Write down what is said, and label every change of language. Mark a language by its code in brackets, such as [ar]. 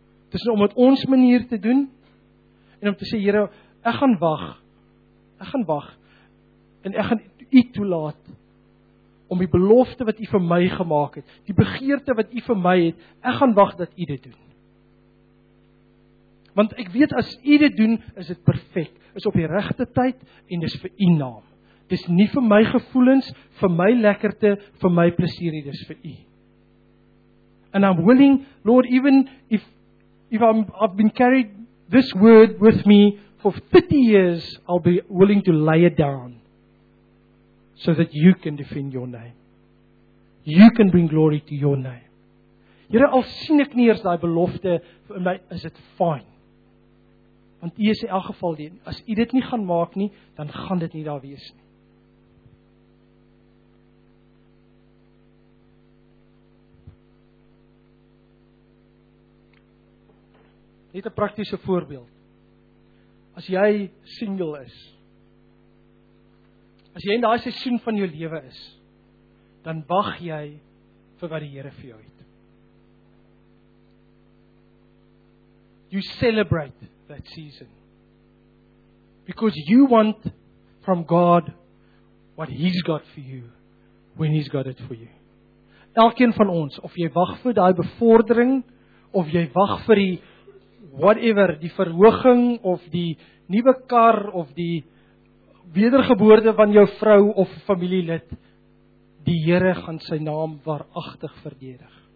[af] Dis om met ons manier te doen, en om te sê, Here, ek gaan wag, en ek gaan u toelaat, om die belofte wat u vir my gemaak het, die begeerte wat u vir my het, ek gaan wag dat u dit doen. Want ek weet, as u dit doen, is dit perfek, is op die regte tyd, en is vir u naam. Dis nie vir my gevoelens, vir my lekkerte, vir my plesier, dis vir u. [en] And I'm willing, Lord, even if I've been carried this word with me for 50 years, I'll be willing to lay it down so that you can defend your name. You can bring glory to your name. [af] Here, al sien ek nie eers die belofte, [en] is it fine. [af] Want u is in elk geval die, as u dit nie gaan maak nie, dan gaan dit nie daar wees nie. Net 'n praktiese voorbeeld. As jy single is, as jy in daai seisoen van jou lewe is, dan wag jy vir wat die Here vir jou het. [en] You celebrate that season. Because you want from God what He's got for you when He's got it for you. [af] Elkeen van ons, of jy wag vir daai bevordering, of jy wag vir die whatever, die verhoging, of die nuwe kar, of die wedergeboorte van jou vrou of familielid, die Here gaan sy naam waaragtig verdedig.